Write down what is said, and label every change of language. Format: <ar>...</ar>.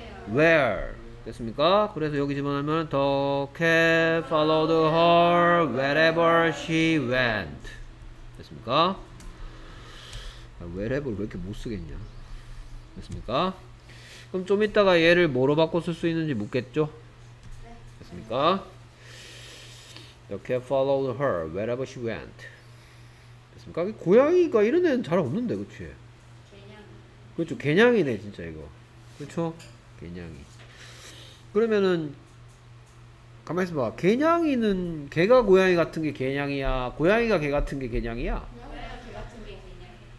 <en>Where 됐습니까?</en> <ko>그래서 여기 집어넣으면</ko> <en>The cat followed her wherever she went 됐습니까?</en> <ko>아, wherever 왜 이렇게 못 쓰겠냐 됐습니까? 그럼 좀 이따가 얘를 뭐로 바꿔 쓸 수 있는지 묻겠죠? 됐습니까?</ko> <en>The cat followed her wherever she went 됐습니까?</en> <ko>고양이가 이런 애는 잘 없는데 그치? 개냥이 그렇죠 개냥이네 진짜 이거 그렇죠? 개냥이. 그러면은 가만히 있어봐. 개냥이는 개가 고양이 같은 게 개냥이야. 고양이가 개 같은 게 개냥이야. 고양이가 개 같은 게 개냥이야.</ko>